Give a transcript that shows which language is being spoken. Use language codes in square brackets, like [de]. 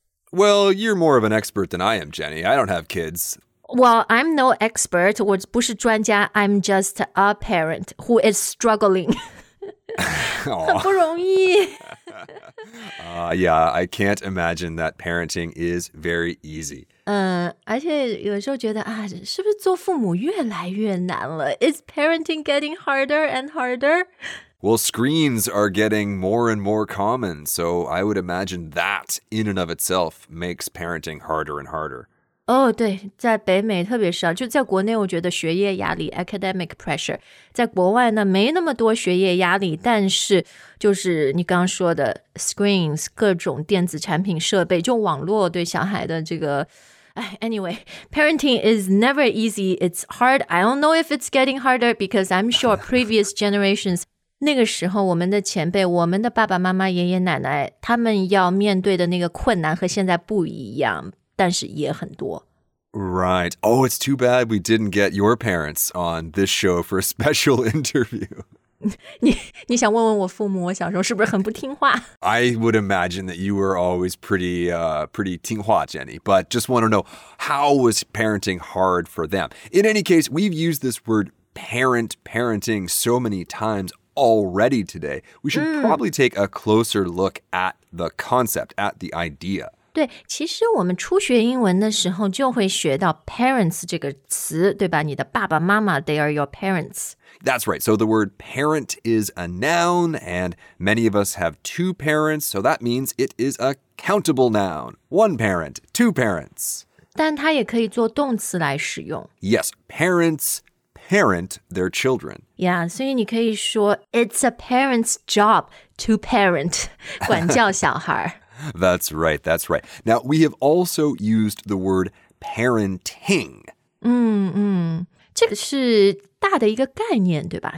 [en] Well, you're more of an expert than I am, Jenny. I don't have kids. Well, I'm no expert. [zh] 我不是专家。 [en] I'm just a parent who is struggling. [zh] 很不容易。 [en] Yeah, I can't imagine that parenting is very easy. [zh] 而且有时候觉得啊，是不是做父母越来越难了？ [en] Is parenting getting harder and harder? Well, screens are getting more and more common, so I would imagine that in and of itself makes parenting harder and harder. [zh] 对，在北美特别是啊，就在国内我觉得学业压力 [en] academic pressure， [zh] 在国外呢没那么多学业压力，但是就是你刚刚说的 screens， 各种电子产品设备，就网络对小孩的这个 [en] ，anyway, parenting is never easy, it's hard, I don't know if it's getting harder, because I'm sure previous generations, [zh] 那个时候我们的前辈，我们的爸爸妈妈爷爷奶奶，他们要面对的那个困难和现在不一样，但是也很多。 [en] Right. Oh, it's too bad we didn't get your parents on this show for a special interview. [zh] 你想问问我父母，我小时候是不是很不听话？ [en] I would imagine that you were always pretty 听话, Jenny. But just want to know, how was parenting hard for them? In any case, we've used this word parenting so many times already today. We should probably take a closer look at the concept, at the idea. [zh] 对，其实我们初学英文的时候就会学到 parents 这个词，对吧？你的爸爸妈妈 [en] they are your parents. That's right. So the word parent is a noun, and many of us have two parents, so that means it is a countable noun. One parent, two parents. [zh] 但它也可以做动词来使用。 [en] Yes, parents parent their children. Yeah, [zh] 所以你可以说 [en] it's a parent's job to parent, [zh] 管教小孩。 [en] That's right, that's right. Now, we have also used the word parenting. [zh] 这个是大的一个概念，对吧？